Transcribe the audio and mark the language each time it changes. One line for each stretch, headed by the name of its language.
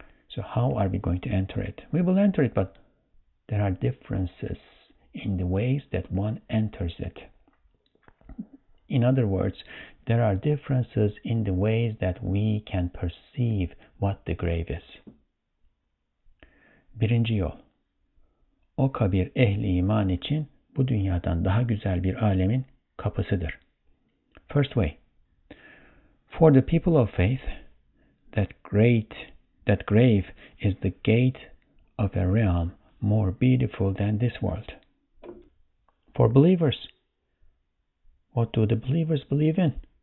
English: So how are we going to enter it? We will enter it, but there are differences in the ways that one enters it. In other words, there are differences in the ways that we can perceive what the grave is.
Turkish: Birinci yol. O kabir ehli iman için bu dünyadan daha güzel bir alemin kapısıdır.
English: First way. For the people of faith, that grave is the gate of a realm more beautiful than this world. For believers, what do the believers believe in?